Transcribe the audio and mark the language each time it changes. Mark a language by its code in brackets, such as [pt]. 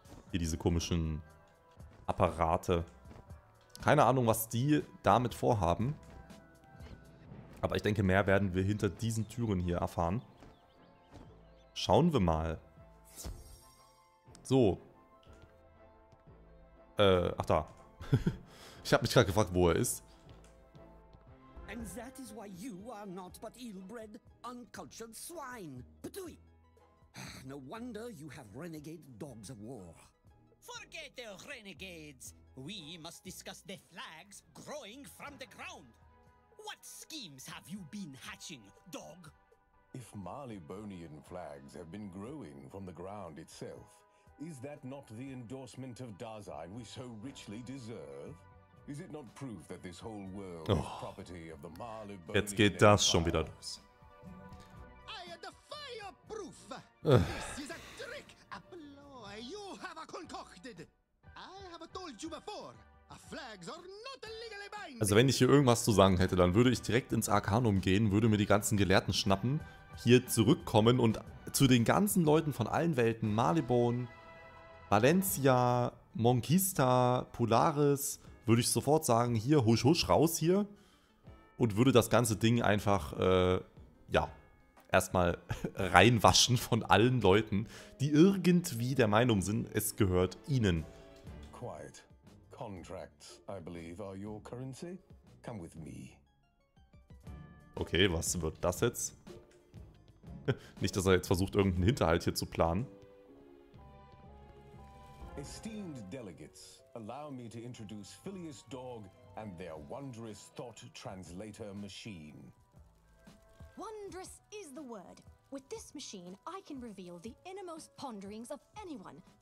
[de] Hier diese komischen Apparate. Keine Ahnung, was die damit vorhaben. Aber ich denke, mehr werden wir hinter diesen Türen hier erfahren. Schauen wir mal. So. Ach da. Ich habe mich gerade gefragt, wo er ist. [en] And that is why you are not but ill-bred, uncultured swine. Patui. No wonder you have renegade dogs of war. Forget the renegades. We must discuss the flags growing from the ground. What schemes have you been hatching, dog? If Malibonian flags have been growing from the ground itself, is that not the endorsement of Dasein we so richly deserve? Is it not proof that this whole world is property of the Malibonian? [de] Jetzt geht das schon wieder los. [en] I had the fireproof. This is a trick, a ploy you have concocted. I have told you before, flags are not legally binding. [de] Also wenn ich hier irgendwas zu sagen hätte, dann würde ich direkt ins Arcanum gehen, würde mir die ganzen Gelehrten schnappen, hier zurückkommen und zu den ganzen Leuten von allen Welten, Malibon, Valencia, Monquista, Polaris, würde ich sofort sagen, hier, husch, husch, raus hier. Und würde das ganze Ding einfach, erstmal reinwaschen von allen Leuten, die irgendwie der Meinung sind, es gehört ihnen. [en] Quiet. Contracts, I believe, are your currency. Come with me. [de] Okay, was wird das jetzt? Nicht, dass er jetzt versucht, irgendeinen Hinterhalt hier zu planen. [en] Esteemed delegates, allow me to introduce Phileas Dog and their wondrous thought translator machine. Wondrous is the word. With this machine, I can reveal the innermost ponderings of anyone.